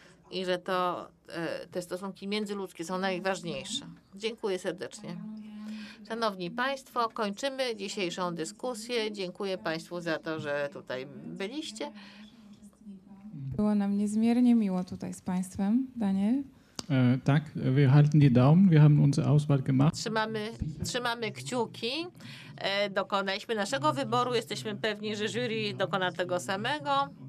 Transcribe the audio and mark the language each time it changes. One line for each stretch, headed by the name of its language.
Polish: I że to te stosunki międzyludzkie są najważniejsze. Dziękuję serdecznie. Szanowni Państwo, kończymy dzisiejszą dyskusję. Dziękuję Państwu za to, że tutaj byliście. Było nam niezmiernie miło tutaj z Państwem, Daniel.
German: Tak, wir halten die Daumen, wir haben unsere Auswahl gemacht.
Polish: Trzymamy kciuki. Dokonaliśmy naszego wyboru. Jesteśmy pewni, że jury dokona tego samego.